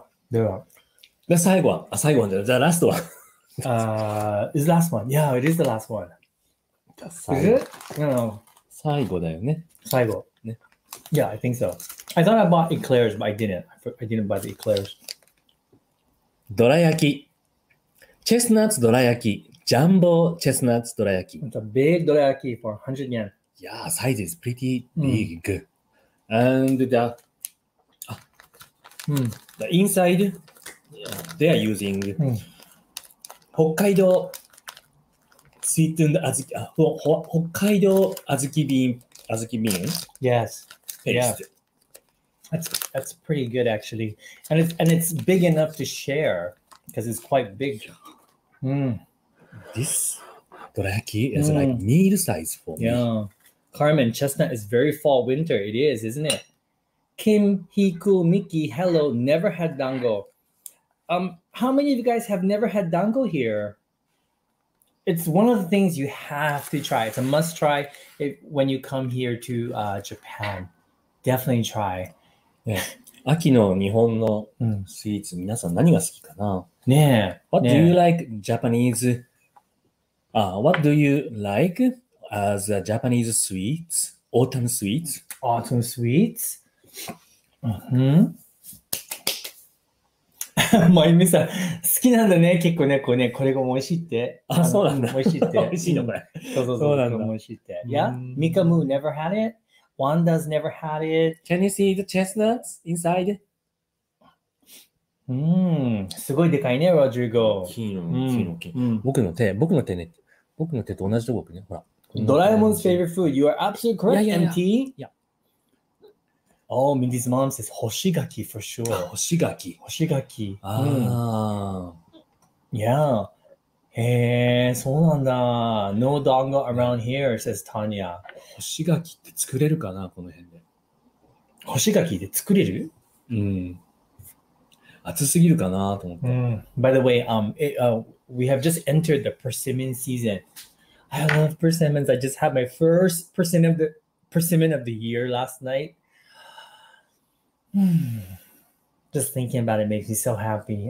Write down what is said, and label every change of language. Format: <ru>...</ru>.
<en>The</en> <ja>最後は、最後は、</ja> <en>the last one. is the last one. Yeah, it is the last one. Is it? No.</en> <ja>最後だよね。最後。ね。</ja> <en>Yeah, I think so. I thought I bought eclairs, but I didn't. I didn't buy the eclairs.</en> <ja>どら焼き。チェスナッツどら焼き。ジャンボチェスナッツどら焼き。</ja> <en>It's a big どら焼き for 100 yen. Yeah, size is pretty big.、And the inside, they are using、北海道。 Sweetened azuki, Hokkaido azuki bean. Yes. Paste. Yeah. That's pretty good actually. And it's big enough to share because it's quite big. This dorayaki is like meal size for me. Yeah. Carmen, chestnut is very fall winter. It is, isn't it? Kim, Hiku, Miki, hello. Never had dango. How many of you guys have never had dango here? It's one of the things you have to try. It's a must try if, when you come here to Japan. Definitely try. Yeah.</en> <ja>秋の日本のスイーツ、皆さん何が好きかな?</ja> <en>Yeah. What do you like Japanese? What do you like as a Japanese sweets? Autumn sweets? Autumn sweets?</en> <ja>まゆみさん、好きなんだね、結構ね、こうね、これが美味しいって。あ、そうなんだ。美味しいって。美味しいのこれ。そうなんだ。美味しいって。</ja> <en>Yeah? Mikamu never had it. Wanda's never had it. Can you see the chestnuts inside?</en> <ja>すごいでかいね、ロドリゴ。僕の手と同じとこ置くね、ほら。</ja> <en>ドラえもん's favorite food. You are absolutely correct, yeah, yeah, MT. Yeah. Yeah. Oh, Mindy's mom says 干し柿 for sure.</en> <ja>干し柿。干し柿。ああ。 Yeah. へえ、そうなんだ。</ja> <en>No dango around here, says Tanya.</en> <ja>干し柿って作れるかな、この辺で。干し柿で作れる？うん。暑すぎるかなと思って。</ja> <en>By the way, we have just entered the persimmon season. I love persimmons. I just had my first persimmon of the year last night. Just thinking about it makes me so happy.</en>